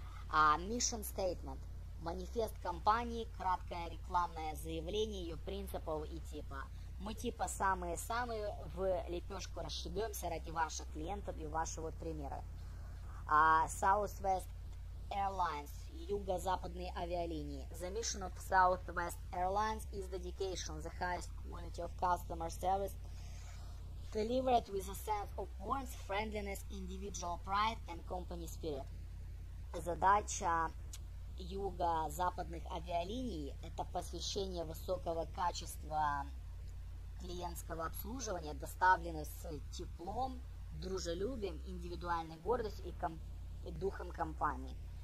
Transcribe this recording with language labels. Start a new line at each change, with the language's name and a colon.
Russian: А mission statement – манифест компании, краткое рекламное заявление ее принципов и типа. Мы типа самые-самые в лепешку расшибемся ради ваших клиентов и вашего примера. А Southwest Airlines – юго-западные авиалинии.
English: The mission of Southwest Airlines is dedication, the highest quality of customer service, delivered with a sense of warmth, friendliness, individual pride and company spirit.
Russian: Задача юго-западных авиалиний – это посвящение высокого качества клиентского обслуживания, доставленное с теплом, дружелюбием, индивидуальной гордостью и духом компании.